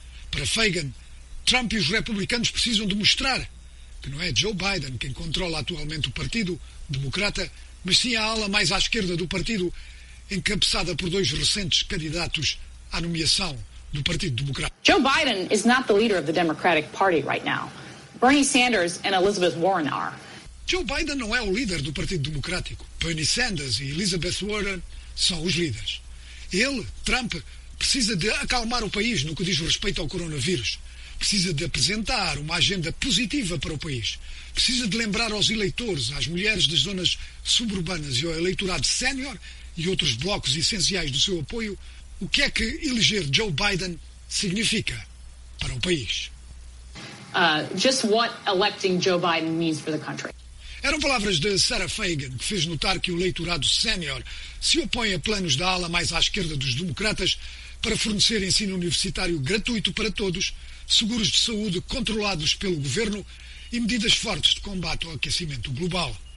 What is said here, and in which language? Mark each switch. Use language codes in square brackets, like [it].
[pt] Para Feigin, Trump e os republicanos precisam demonstrar que não é Joe Biden quem controla atualmente o partido democrata, mas sim a ala mais à esquerda do partido, encabeçada por dois recentes candidatos à nomeação do Partido Democrata. [en] Joe Biden is not the leader of the Democratic Party right now. Bernie Sanders and Elizabeth Warren are. [pt] Joe Biden não é o líder do Partido Democrático. Bernie Sanders e Elizabeth Warren são os líderes. Ele, Trump, precisa de acalmar o país no que diz respeito ao coronavírus. Precisa de apresentar uma agenda positiva para o país. Precisa de lembrar aos eleitores, às mulheres das zonas suburbanas e ao eleitorado sénior e outros blocos essenciais do seu apoio, o que é que eleger Joe Biden significa para o país. [en] Just what electing Joe Biden means for the country. [pt] Eram palavras de Sarah Feigin, que fez notar que o eleitorado sénior se opõe a planos da ala mais à esquerda dos democratas para fornecer ensino universitário gratuito para todos, seguros de saúde controlados pelo governo e medidas fortes de combate ao aquecimento global.